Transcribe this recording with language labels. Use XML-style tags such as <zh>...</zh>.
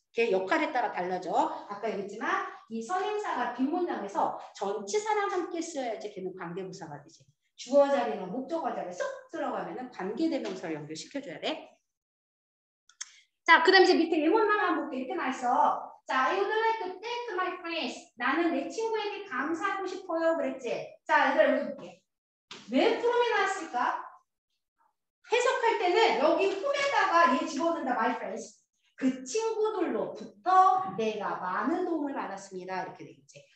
<ko>걔 역할에 따라 달라져. 아까 얘기했지만 이 선행사가 뒷문장에서 전치사랑 함께 써야지 걔는 관계부사가 되지. 주어 자리나 목적어 자리에 쏙 들어가면은 관계대명사를 연결시켜줘야 돼. 자, 그 다음 이제 밑에 예문만 한번 볼게. 이렇게 나왔어.</ko> <en>자, I would like to thank my friends.</en> <ko>나는 내 친구에게 감사하고 싶어요. 그랬지? 자, 얘들아 여기 볼게. 왜 from이 나왔을까? 해석할 때는 여기 from에다가 얘 집어넣는다.</ko> <en>My friends.</en> <ko>그 친구들로부터 내가 많은 도움을 받았습니다. 이렇게 되겠지.</ko>